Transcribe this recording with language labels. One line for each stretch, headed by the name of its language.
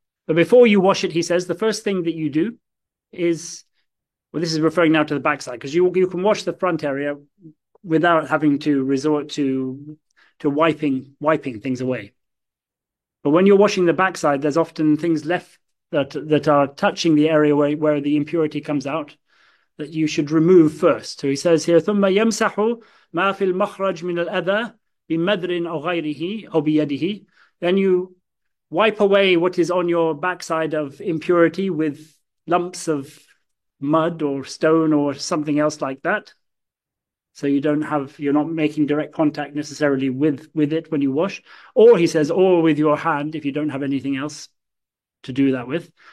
English: But before you wash it, he says, the first thing that you do is, well, this is referring now to the backside, because you can wash the front area without having to resort to wiping things away. But when you're washing the backside, there's often things left that are touching the area where the impurity comes out that you should remove first. So he says here,
Arabic: ثُمَّ يَمْسَحُ مَا فِي الْمَخْرَجِ مِنَ الْأَذَى بِمَدْرٍ أَوْ غَيْرِهِ أَوْ بِيَدِهِ.
English: Then you wipe away what is on your backside of impurity with lumps of mud or stone or something else like that. So you don't have, you're not making direct contact necessarily with it when you wash. Or he says, or with your hand if you don't have anything else to do that with.